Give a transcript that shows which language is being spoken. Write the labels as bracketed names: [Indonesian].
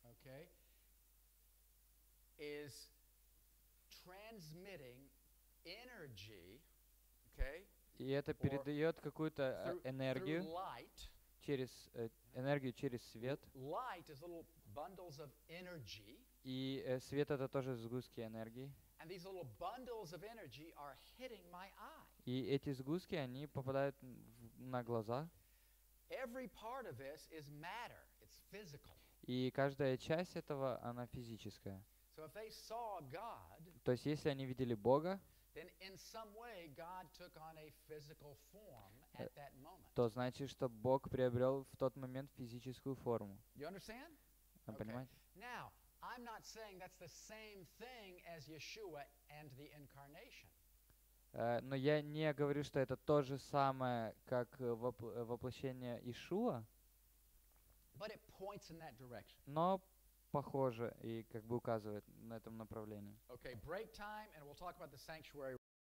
[English] Okay. Is transmitting energy. Okay. [Russian] И это передает какую-то энергию. [English] Through light. [Russian] Через энергию через свет. [English] Light is little bundles of energy. [Russian] И свет — это тоже сгустки энергии. [English] And these little bundles of energy are hitting my eye. [Russian] И эти сгустки, они попадают на глаза. [English] Every part of this is matter. It's physical. [Russian] И каждая часть этого, она физическая. [English] So if they saw God, [Russian] то есть если они видели Бога, [English] then in some way God took on a physical form at that moment. [Russian] То значит, что Бог приобрел в тот момент физическую форму. [English] You understand? [Russian] Понимаете? [English] Okay. Now, I'm not saying that's the same thing as Yeshua and the incarnation. [Russian] Но я не говорю, что это то же самое, как воплощение Иешуа. [English] But it points in that direction. [Russian] Но похоже и как бы указывает на этом направлении. [English] Okay, break time, and we'll talk about the sanctuary.